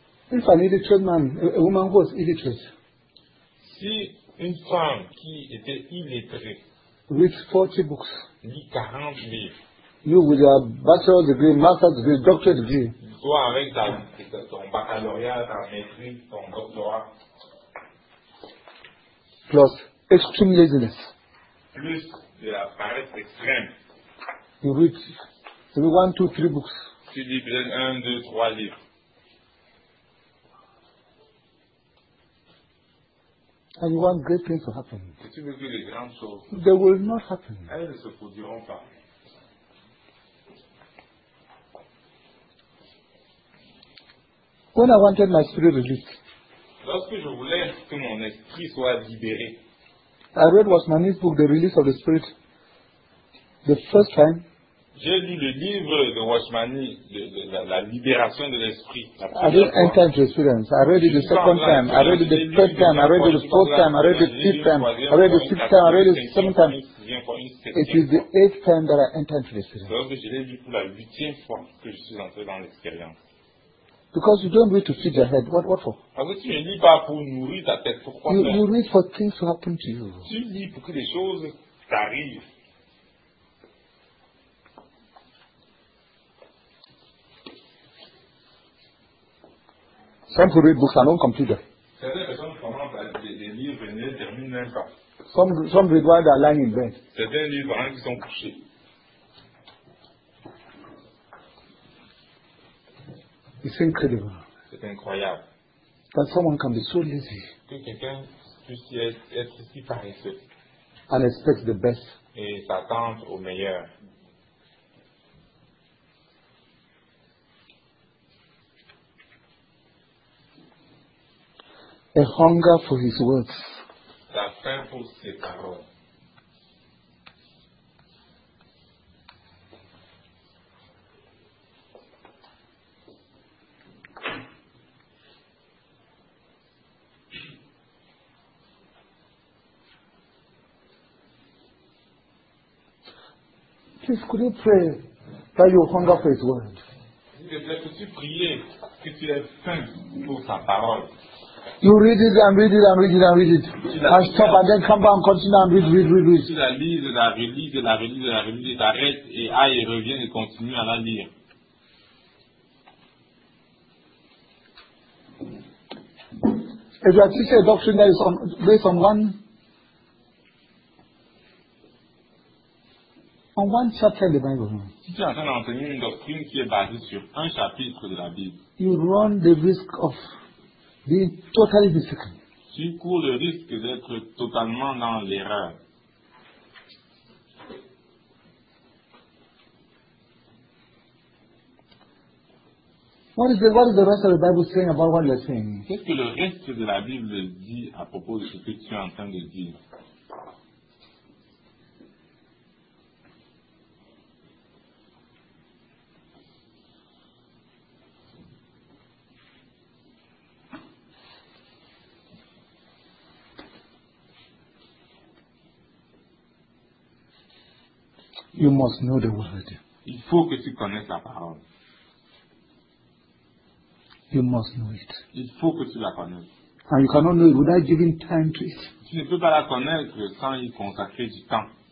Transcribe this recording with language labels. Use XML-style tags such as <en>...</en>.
<en>If an illiterate man, a woman who was illiterate,</en> <fr>si une femme qui était illiterée,</fr> <en>with 40 books,</en> <fr>lit 40 livres,</fr> <en>you with your bachelor's degree, master's degree, doctorate degree,</en> <fr>toi avec ton baccalauréat, ta maîtrise, ton doctorat,</fr> <en>plus extreme laziness,</en> <fr>plus de la paresse extrême,</fr> <en>you read 1, 2, 3 books,</en> <fr>tu lis peut-être 1, 2, 3 livres.</fr> <en>And you want great things to happen.</en> <fr>Tu veux que les grandes choses,</fr> <en>they will not happen.</en> <fr>Elles ne se produiront pas.</fr> <en>When I wanted my spirit released,</en> <fr>lorsque je voulais que mon esprit soit libéré,</fr> <en>I read Wasmani's book, The Release of the Spirit, the first time.</en> <fr>J'ai lu le livre de Wasmani, la libération de l'esprit.</fr> <en>I didn't enter into experience. I read it the second time. I read it the third time. I read it the fourth time. I read it the fifth time. I read it the sixth time. I read it the seventh time. It is the eighth time that I entered into experience.</en> <fr>Donc je l'ai lu pour la huitième fois que je suis entré dans l'expérience.</fr> <en>Because you don't read to feed your head. What for?</en> <fr>Parce que tu ne lis pas pour nourrir ta tête. Pourquoi?</fr> <en>You read for things to happen to you.</en> <fr>Tu lis pour que les choses t'arrivent.</fr> <en>Some who read books and don't complete them.</en> <fr>Certaines personnes commencent à lire des livres et ne les terminent même pas.</fr> <en>Some read while they are lying in bed.</en> <fr>Certains livres pendant qu'ils sont couchés.</fr> <en>It's incredible.</en> <fr>C'est incroyable.</fr> <en>That someone can be so lazy.</en> <fr>Que quelqu'un puisse être si paresseux.</fr> <en>And expect the best.</en> <fr>Et s'attendre au meilleur.</fr> <en>A hunger for his words.</en> <fr>La faim pour ses paroles.</fr> <en>Please, could you pray that you hunger for his word?</en> <fr>Peux-tu prier que tu aies faim pour sa parole?</fr> <en>You read it and read it and read it and read it. And stop and then come back and continue and read.</en> <fr>Tu la lis, la relis, la relis, la relis, t'arrêtes et aille, reviens et continue à la lire.</fr> <en>If you are teaching a doctrine that is based on one on one chapter in the Bible.</en> <fr>Si tu es en train d'enseigner une doctrine qui est basée sur un chapitre de la Bible,</fr> <en>you run the risk of being totally mistaken.</en> <fr>Tu cours le risque d'être totalement dans l'erreur.</fr> <en>What is the rest of the Bible saying about what you're saying?</en> <fr>Qu'est-ce que le reste de la Bible dit à propos de ce que tu es en train de dire?</fr> <en>You must know the word.</en> <fr>Il faut que tu connaisses la parole.</fr> <en>You must know it.</en> <fr>Il faut que tu la connaisses.</fr> <en>And you cannot know it without giving time to it.</en> <fr>Tu ne peux pas la connaître sans y consacrer du temps.</fr>